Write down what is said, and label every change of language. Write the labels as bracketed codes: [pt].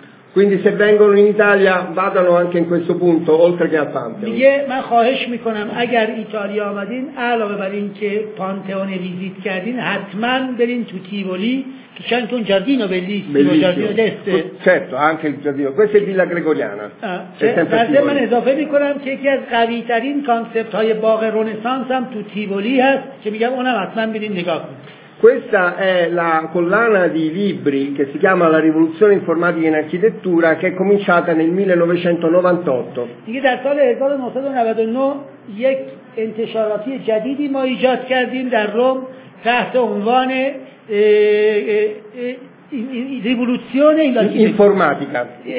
[it] Quindi se vengono in Italia vadano anche in questo punto, oltre che al Pantheon. Dice, ma [fa] خواهش میکنم اگر ایتالیا آمدین علاوه بر اینکه پانتئون ویزیت کردین حتما برین تو تیولی که چون تو جاردینو بلیسیمو جاردینو دسته. [it] Certo, anche il giardino. Questa è Villa Gregoriana. [fa] Ah, من اضافه میکنم که یکی از قوی ترین کانسپت های باغ رنسانس هم تو تیولی هست که میگم اونم حتما برین نگاه کنید. [it] Questa è la collana di libri che si chiama La rivoluzione informatica in architettura, che è cominciata nel 1998. Informatica.